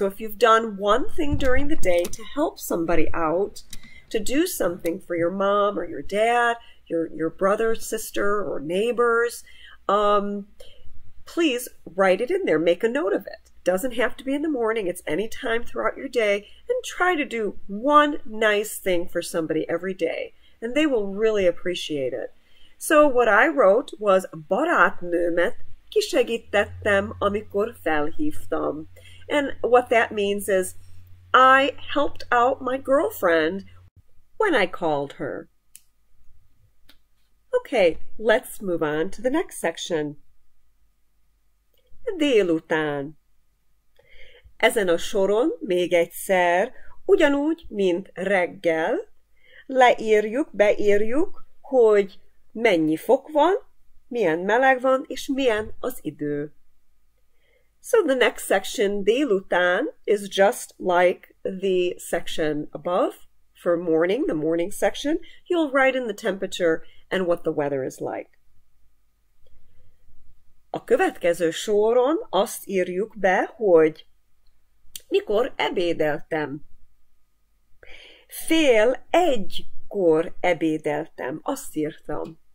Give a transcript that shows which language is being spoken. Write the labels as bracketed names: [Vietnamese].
[English] So if you've done one thing during the day to help somebody out, to do something for your mom or your dad, your brother, sister, or neighbors, please write it in there. Make a note of it. It doesn't have to be in the morning. It's any time throughout your day. And try to do one nice thing for somebody every day, and they will really appreciate it. So what I wrote was [Hungarian] barátnőmet kisegítettem, amikor felhívtam. [English] And what that means is, I helped out my girlfriend when I called her. Okay, let's move on to the next section. [Hungarian] Délután. Ezen a soron még egyszer, ugyanúgy, mint reggel, beírjuk, hogy mennyi fok van, milyen meleg van, és milyen az idő. [English] So the next section, délután, is just like the section above for morning, the morning section. You'll write in the temperature and what the weather is like. [Hungarian] A következő soron azt írjuk be, hogy mikor ebédeltem. Fél egykor ebédeltem, azt írtam.